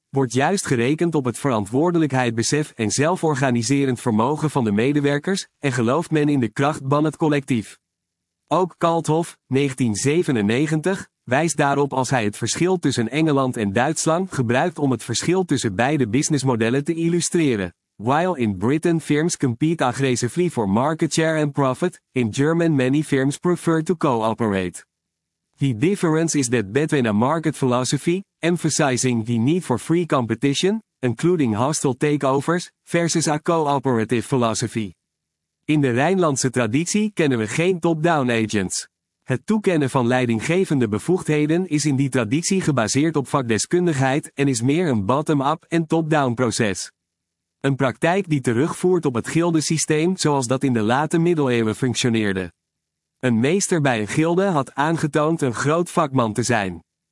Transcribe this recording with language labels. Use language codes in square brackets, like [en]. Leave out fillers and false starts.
[nl] Wordt juist gerekend op het verantwoordelijkheidsbesef en zelforganiserend vermogen van de medewerkers, en gelooft men in de kracht van het collectief. Ook Kalthoff, 1997, wijst daarop als hij het verschil tussen Engeland en Duitsland gebruikt om het verschil tussen beide businessmodellen te illustreren. [en] While in Britain firms compete aggressively for market share and profit, in German many firms prefer to cooperate. The difference is that between a market philosophy, emphasizing the need for free competition, including hostile takeovers, versus a cooperative philosophy. [nl] In de Rijnlandse traditie kennen we geen top-down agents. Het toekennen van leidinggevende bevoegdheden is in die traditie gebaseerd op vakdeskundigheid en is meer een bottom-up en top-down proces. Een praktijk die terugvoert op het gildensysteem zoals dat in de late middeleeuwen functioneerde. Een meester bij een gilde had aangetoond een groot vakman te zijn.